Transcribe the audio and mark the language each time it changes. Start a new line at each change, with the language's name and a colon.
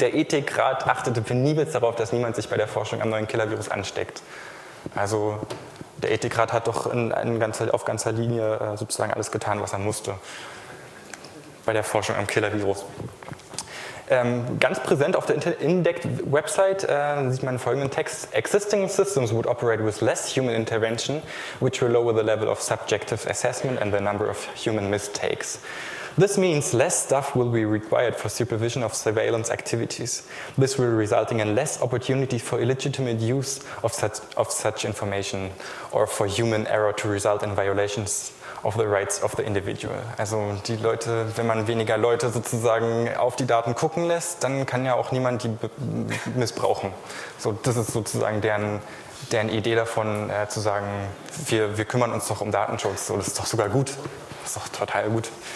German: Der Ethikrat achtete penibelst darauf, dass niemand sich bei der Forschung am neuen Killer-Virus ansteckt. Also der Ethikrat hat doch auf ganzer Linie sozusagen alles getan, was er musste bei der Forschung am Killer-Virus. Ganz präsent auf der Indect-Website sieht man folgenden Text.
English: Existing systems would operate with less human intervention, which will lower the level of subjective assessment and the number of human mistakes. This means less stuff will be required for supervision of surveillance activities. This will result in less opportunities for illegitimate use of such information or for human error to result in violations of the rights of the individual.
German: Also die Leute, wenn man weniger Leute sozusagen auf die Daten gucken lässt, dann kann ja auch niemand die missbrauchen. So, das ist sozusagen deren Idee davon, zu sagen, wir kümmern uns doch um Datenschutz. So, das ist doch sogar gut. Das ist doch total gut.